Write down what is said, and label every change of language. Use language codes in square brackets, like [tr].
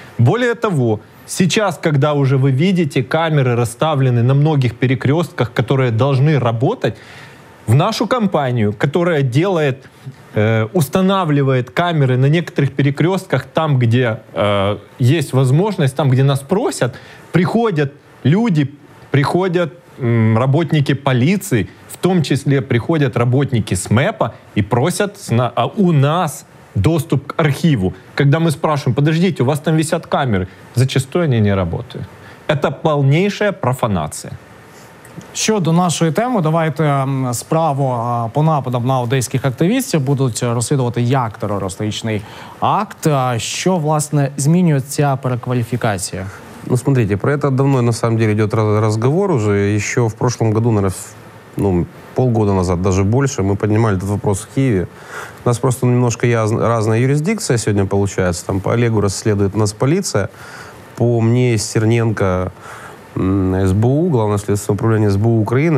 [ru] Более того, сейчас, когда уже вы видите, камеры расставлены на многих перекрестках, которые должны работать, в нашу компанию, которая делает, устанавливает камеры на некоторых перекрестках, там, где есть возможность, там, где нас просят, приходят люди, приходят работники полиции, в том числе приходят работники СМЭПа и просят у нас доступ к архиву. Когда мы спрашиваем, подождите, у вас там висят камеры, зачастую они не работают. Это полнейшая профанация. [uk] Щодо нашої теми, давайте справу по нападам на одеських активістів будуть розслідувати як терористичний акт. Що, власне, змінює ця перекваліфікація? [ru] Ну, смотрите, про это давно, на самом деле, идет разговор уже. Еще в прошлом году, наверное, ну, полгода назад, даже больше, мы поднимали этот вопрос в Киеве. У нас просто немножко разная юрисдикция сегодня получается. Там по Олегу расследует нас полиция, по мне Стерненко, СБУ, Главное следственное управление СБУ Украины.